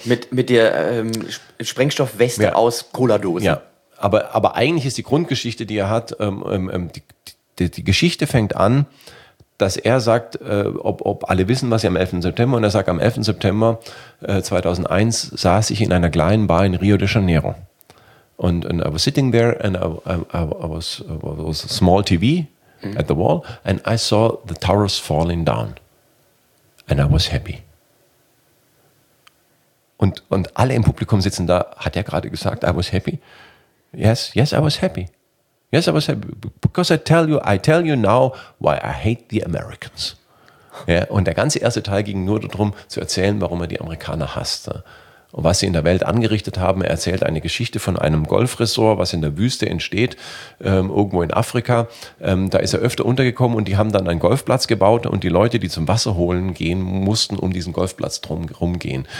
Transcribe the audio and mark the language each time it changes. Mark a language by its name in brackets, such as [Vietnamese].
[German] mit der Sprengstoffweste ja. aus Cola-Dosen. Ja, aber eigentlich ist die Grundgeschichte, die er hat, die Geschichte fängt an, dass er sagt, ob alle wissen, was sie am 11. September, und er sagt, am 11. September 2001 saß ich in einer kleinen Bar in Rio de Janeiro. [English] And I was sitting there and I was a small TV at the wall and I saw the towers falling down. And I was happy. [German] Und alle im Publikum sitzen da, hat er gerade gesagt, [English] I was happy. Yes, yes, I was happy. Yes, I was happy because I tell you now why I hate the Americans. [German] Ja, und der ganze erste Teil ging nur darum, zu erzählen, warum er die Amerikaner hasst. Und was sie in der Welt angerichtet haben. Er erzählt eine Geschichte von einem Golfresort, was in der Wüste entsteht, irgendwo in Afrika. Da ist er öfter untergekommen und die haben dann einen Golfplatz gebaut und die Leute, die zum Wasser holen gehen, mussten um diesen Golfplatz drum gehen.